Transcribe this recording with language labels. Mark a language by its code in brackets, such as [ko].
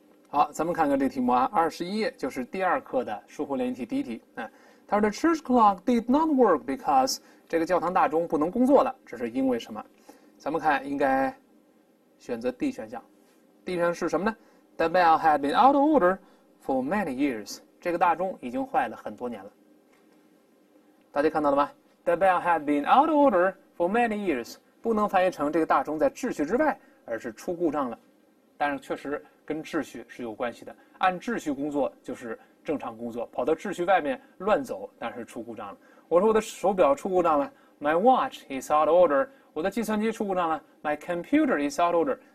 [zh] 好，咱们看看这题目啊，21页就是第二课的疏忽练习题第一题。他说 ， [en] The church clock did not work because [zh] 这个教堂大钟不能工作了，这是因为什么？咱们看，应该选择 D 选项。 D 选项是什么呢 [en] ？The bell had been out of order for many years。 [zh] 这个大钟已经坏了很多年了。大家看到了吗 [en] ？The bell had been out of order for many years。 [zh] 不能翻译成这个大钟在秩序之外，而是出故障了。但是确实跟秩序是有关系的，按秩序工作就是正常工作，跑到秩序外面乱走，但是出故障了。我说我的手表出故障了 ， [en] My watch is out of order。 [zh] 我的计算机出故障了 ， [en] My computer is out of order。